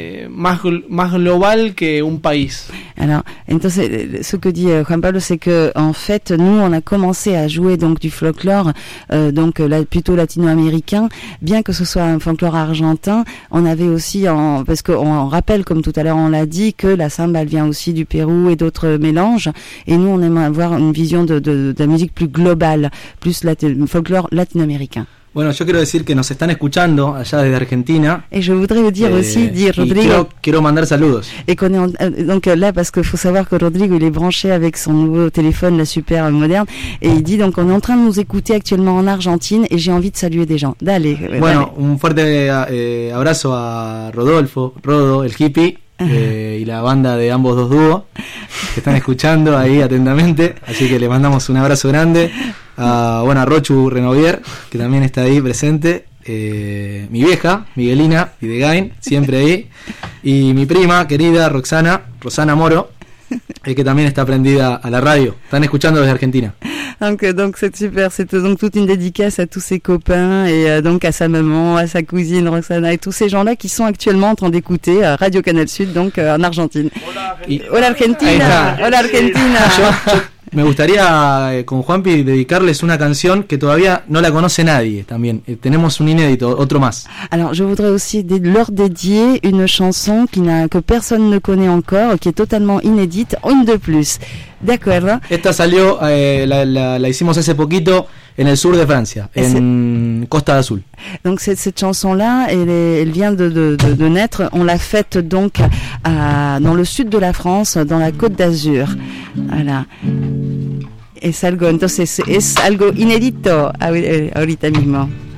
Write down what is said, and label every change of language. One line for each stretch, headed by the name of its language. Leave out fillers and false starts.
Spanish: más global que un país.
French: Alors, entonces, ce que dit Juan Pablo, c'est que en fait, nous, on a commencé à jouer donc du folklore, donc là, plutôt latino-américain, bien que ce soit un folklore argentin. On avait aussi, parce qu'on rappelle, comme tout à l'heure, on l'a dit, que la samba elle vient aussi du Pérou et d'autres mélanges. Et nous, on aime avoir une vision de la musique plus globale, plus folklore latino-américain.
Spanish: Bueno, yo quiero decir que nos están escuchando allá desde Argentina.
French: Et je voudrais dire aussi, dire Rodrigo.
Spanish: Quiero mandar saludos.
French: Et qu'on est en, donc là, parce qu'il faut savoir que Rodrigo, il est branché avec son nouveau téléphone, la super moderne, et il dit donc on est en train de nous écouter actuellement en Argentine et j'ai envie de saluer des gens. D'aller. Bueno, d'aller.
Spanish: Un fuerte abrazo a Rodolfo, Rodo, el hippie. Y la banda de ambos dos dúos que están escuchando ahí atentamente, así que le mandamos un abrazo grande a, bueno, a Rochu Renovier, que también está ahí presente, mi vieja Miguelina Videgain, siempre ahí, y mi prima querida Roxana, Rosana Moro,
French: et qui
Spanish: también está prendida à la radio. Están escuchando desde Argentina.
French: Donc c'est super, c'est donc toute une dédicace à tous ses copains et donc à sa maman, à sa cousine Roxana et tous ces gens-là qui sont actuellement en train d'écouter Radio Canal Sud donc en Argentine.
Spanish: Hola Argentina. Hola Argentina. Hola Argentina. Me gustaría con Juanpi dedicarles una canción que todavía no la conoce nadie también. Tenemos un inédito, otro más.
French: Alors, je voudrais aussi leur dédier une chanson que personne ne connaît encore, qui est totalement inédite, une de plus. D'accord.
Spanish: Esta salió, la hicimos hace poquito en el sur de Francia, en Costa Azul.
French: Donc cette chanson-là, elle vient de naître, on l'a faite donc dans le sud de la France, dans la Côte d'Azur. Voilà.
Spanish: Es algo, entonces, es algo inédito ahorita mismo.